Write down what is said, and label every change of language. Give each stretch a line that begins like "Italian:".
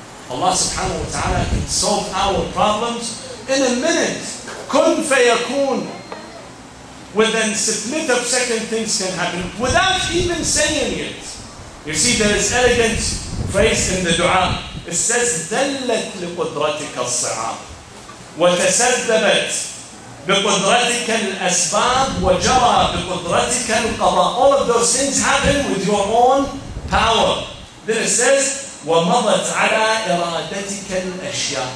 English: Allah subhanahu wa ta'ala can solve our problems in a minute.
Arabic: كُنْ فَيَكُونَ.
English: Within split of second, things can happen without even saying it. You see, there is elegant phrase in the dua. It says,
Arabic: ذَلَّتْ لِقُدْرَتِكَ الصِّعَابِ وَتَسَدَّبَتْ بِقُدْرَتِكَ الْأَسْبَابِ وَجَرَى بِقُدْرَتِكَ الْقَضَاءِ.
English: All of those things happen with your own power. Then it says,
Arabic: وَمَضَتْ عَلَىٰ إِرَادَتِكَ الْأَشْيَاءِ.